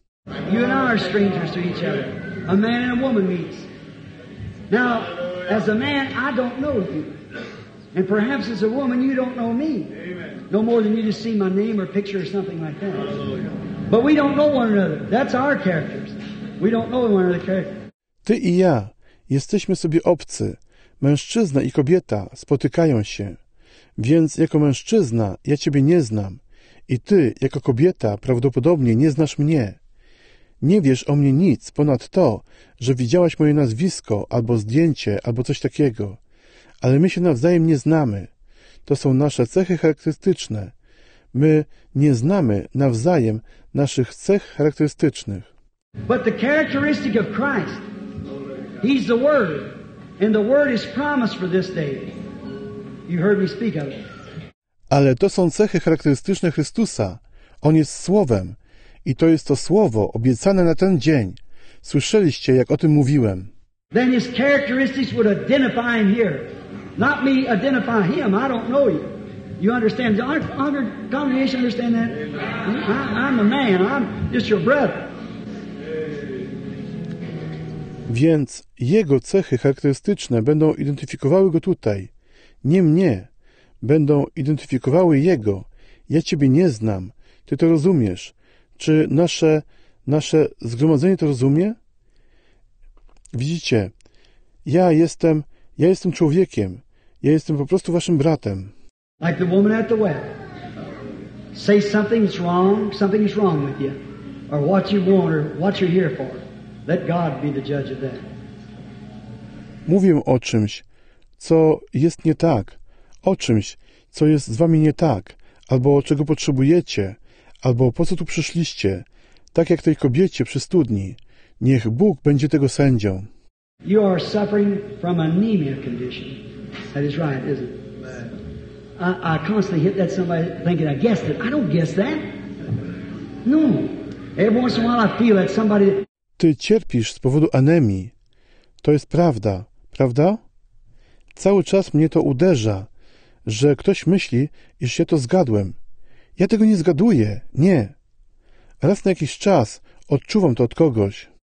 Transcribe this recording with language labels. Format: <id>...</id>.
<en>You and I are strangers to each other. A man and a woman meets. Now, as a man, I don't know you. And perhaps as a woman, you don't know me. No more than you just see my name or picture or something like that. But we don't know one another. That's our characters. We don't know one another's character.</en> <pl>Ty i ja jesteśmy sobie obcy. Mężczyzna i kobieta spotykają się. Więc jako mężczyzna ja ciebie nie znam. I ty, jako kobieta, prawdopodobnie nie znasz mnie. Nie wiesz o mnie nic ponad to, że widziałaś moje nazwisko albo zdjęcie albo coś takiego. Ale my się nawzajem nie znamy. To są nasze cechy charakterystyczne. My nie znamy nawzajem naszych cech charakterystycznych.</pl> <en>But the characteristic of Christ, he's the Word, and the Word is promised for this day. You heard me speak of it.</en> <pl>Ale to są cechy charakterystyczne Chrystusa. On jest Słowem i to jest to Słowo obiecane na ten dzień. Słyszeliście, jak o tym mówiłem.</pl> <en>Then his characteristics would identify him here. Not me identify him, I don't know you. You understand? Our congregation understand that? I'm a man, I'm just your brother.</en> <pl>Więc jego cechy charakterystyczne będą identyfikowały go tutaj. Nie mnie. Będą identyfikowały jego. Ja ciebie nie znam. Ty to rozumiesz. Czy nasze zgromadzenie to rozumie? Widzicie, ja jestem człowiekiem. Ja jestem po prostu waszym bratem.</pl> <en>Like the woman at the well. Say something's wrong with you. Or what you want or what you're here for. Let God be the judge of that.</en> <pl>Mówię o czymś, co jest nie tak. O czymś, co jest z wami nie tak. Albo czego potrzebujecie. Albo po co tu przyszliście. Tak jak tej kobiecie przy studni. Niech Bóg będzie tego sędzią.</pl> <en>You are suffering from anemia condition. That is right, isn't it? I constantly hit that somebody thinking I guessed it. I don't guess that. No. Every once in a while I feel that somebody...</en> <pl>Ty cierpisz z powodu anemii. To jest prawda, prawda? Cały czas mnie to uderza, że ktoś myśli, iż ja to zgadłem. Ja tego nie zgaduję, nie. Raz na jakiś czas odczuwam to od kogoś.</pl>